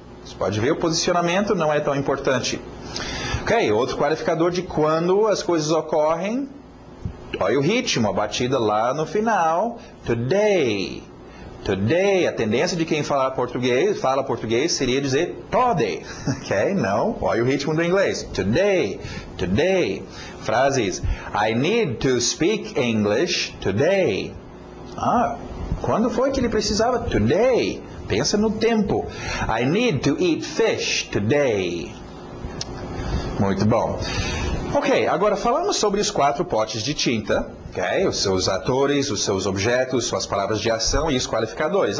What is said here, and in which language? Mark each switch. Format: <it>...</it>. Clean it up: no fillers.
<pt>Você pode ver o posicionamento, não é tão importante. Ok, outro qualificador de quando as coisas ocorrem. Olha o ritmo, a batida lá no final. Today. Today, a tendência de quem fala português, seria dizer today. Ok, não. Olha o ritmo do inglês. Today. Today. Frases.</pt> <en>I need to speak English today.</en> <pt>Ah, quando foi que ele precisava?</pt> <en>Today.</en> <pt>Pensa no tempo.</pt> <en>I need to eat fish today.</en> <pt>Muito bom. Ok, agora falamos sobre os quatro potes de tinta, ok? Os seus atores, os seus objetos, suas palavras de ação e os qualificadores.</pt>